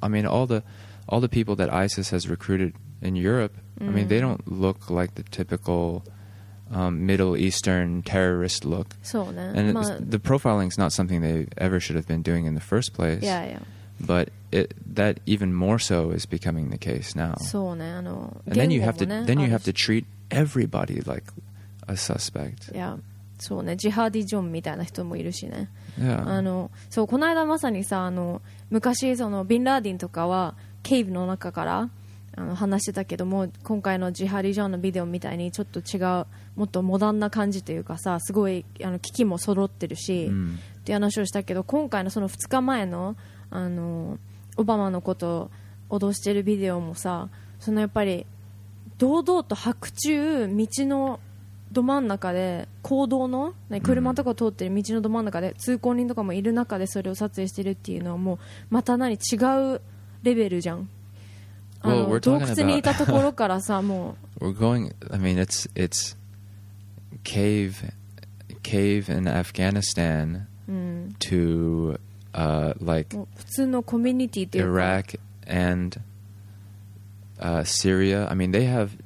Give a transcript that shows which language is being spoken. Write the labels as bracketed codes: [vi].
[en] I mean, all the people that ISIS has recruited in Europe, I mean, they don't look like the typical Middle Eastern terrorist look. [ja] そうね。 [en] And the profiling is not something they ever should have been doing in the first place. Yeah, yeah. But that even more so is becoming the case now. [ja] そうね。 [en] And then you have to treat everybody like a suspect. [ja] Yeah. そうね。ジハーディ・ジョンみたいな人もいるしね。 [en] Yeah. [ja] そう、この間まさにさ、昔そのビンラーディンとかはケイブの中から話してたけども、今回のジハリジョンのビデオみたいにちょっと違う、もっとモダンな感じというかさ、すごい機器も揃ってるし、っていう話をしたけど、今回のその2日前のオバマのことを脅してるビデオもさ、そのやっぱり堂々と白昼道のど真ん中で、公道の、ね、車とか通ってる道のど真ん中で、通行人とかもいる中でそれを撮影してるっていうのはもうまた何違うレベルじゃん。 [en] Well, we're talking about. We're going. I mean, it's cave in Afghanistan to like Iraq and Syria. I mean, they have.